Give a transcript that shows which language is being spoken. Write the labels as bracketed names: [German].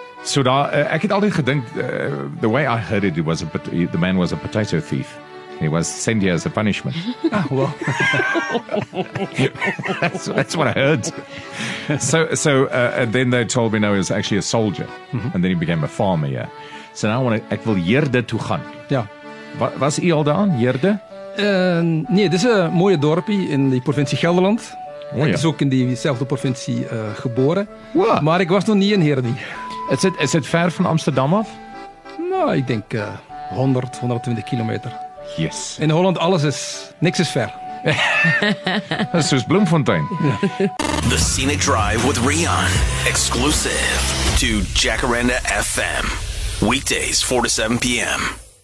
[English] So [Afrikaans] daar, ek het altyd gedink, [English] the way I heard it, the man was a potato thief. He was sent here as a punishment. Ah, well. that's what I heard. So and then they told me, no, he was actually a soldier. Mm-hmm. And then he became a farmer, yeah. So now [Afrikaans] ek wil Heerde toe gaan. Ja. Was u al daar, Heerde? [Dutch] Nee, dit is een mooie dorpje in de provincie Gelderland. Oh, ja. Ik is ook in diezelfde provincie geboren. [English] What? [Dutch] Maar ik was nog niet in Heerde. Is het ver van Amsterdam af? Nou, ik denk 100, 120 kilometer. [English] Yes. [Afrikaans] In Holland alles is, niks is ver. Dat is zoals Bloemfontein. Ja. [English] The Scenic Drive with Rian. Exclusive to Jacaranda FM. Weekdays 4 to 7 p.m.